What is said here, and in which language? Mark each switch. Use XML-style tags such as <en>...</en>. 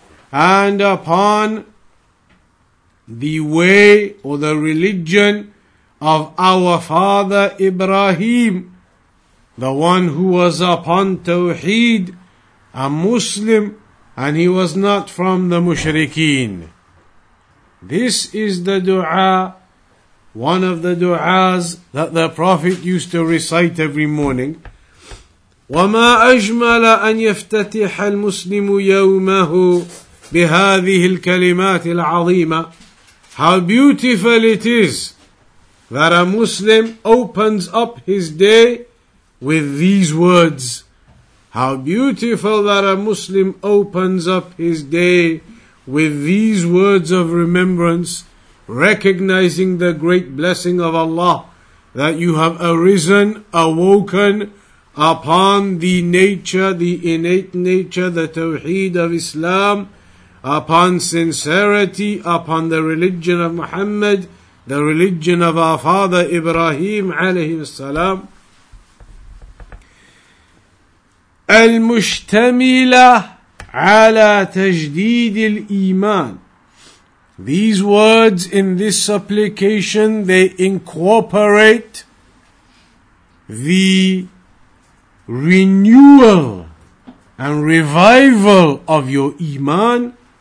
<en>And upon the way or the religion of our father Ibrahim, the one who was upon Tawheed, a Muslim, and he was not from the Mushrikeen. This is the dua, one of the du'as that the Prophet used to recite every morning.</en> <ar>وَمَا أَجْمَلَ أَنْ يَفْتَتِحَ الْمُسْلِمُ يَوْمَهُ بهذه الكلمات العظيمة.</ar> <en>How beautiful it is that a Muslim opens up his day with these words. How beautiful that a Muslim opens up his day with these words of remembrance, recognizing the great blessing of Allah that you have arisen, awoken upon the nature, the innate nature, the tawheed of Islam, upon sincerity, upon the religion of Muhammad, the religion of our father Ibrahim alayhi salam.</en> <ar>المشتملة على تجديد الإيمان.</ar> <en>These words in this supplication, they incorporate the renewal and revival of your iman,</en>